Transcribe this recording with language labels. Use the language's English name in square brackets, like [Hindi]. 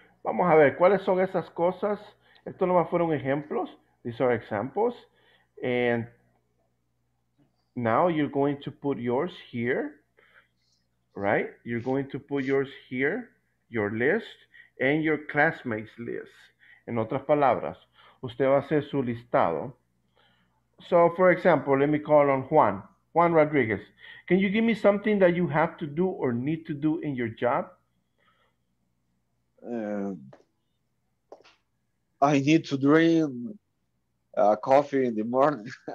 [Spanish] Vamos a ver, ¿cuáles son esas cosas? Estos nomás fueron ejemplos. [English] These are examples. And now you're going to put yours here, right? You're going to put yours here, your list, and your classmates' list. [Spanish] En otras palabras, usted va a hacer su listado. [English] So, for example, let me call on Juan. Juan Rodriguez, can you give me something that you have to do or need to do in your job? I need to drink coffee in the morning.